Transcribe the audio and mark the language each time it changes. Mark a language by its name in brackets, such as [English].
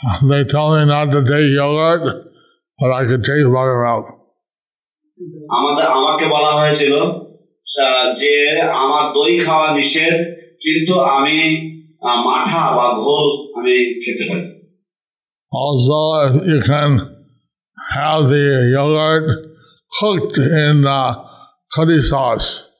[English] They tell me not to take yogurt, but I could take buttermilk. [Bangla] আমাদের আমাকে বলা হয়েছিল যে আমার দই খাওয়া নিষেধ, কিন্তু আমি মাঠা বা ঘোল আমি খেতে পারি. [English] Also, you can have the yogurt cooked in the curry sauce.